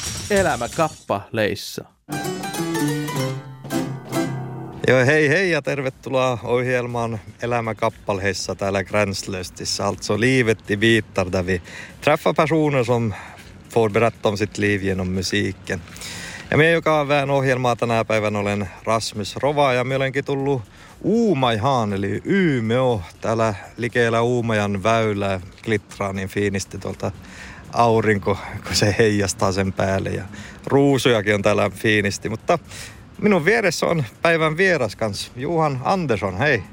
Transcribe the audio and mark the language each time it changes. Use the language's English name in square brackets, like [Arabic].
[Finnish] Elämä kappaleissa. Joo, hei hei ja tervetuloa ohjelmaan Elämä kappaleissa täällä Gränslöstissä. [Swedish] Alltså livet i bitar där vi träffar personer som får berätta om sitt liv genom musiken. [Finnish] Ja minä, joka on vähän ohjelmaa tänä päivänä, olen Rasmus Rova ja minä olenkin tullut Uumajaan, eli Umeå, täällä likeellä Uumajan väylää, Klittraa niin fiinisti tuolta aurinko, kun se heijastaa sen päälle ja ruusujakin on täällä fiinisti, mutta minun vieressä on päivän vieras kanssa, Johan Andersson, hei.